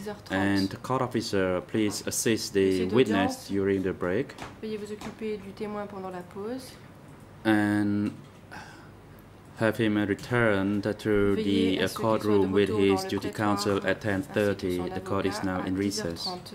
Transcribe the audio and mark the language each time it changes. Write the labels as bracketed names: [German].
[English] And court officer, please assist the witness during the break. [French] Veuillez vous occuper du témoin pendant la pause. [English] And have him return to the courtroom with his duty counsel at 10:30. The court is now in recess.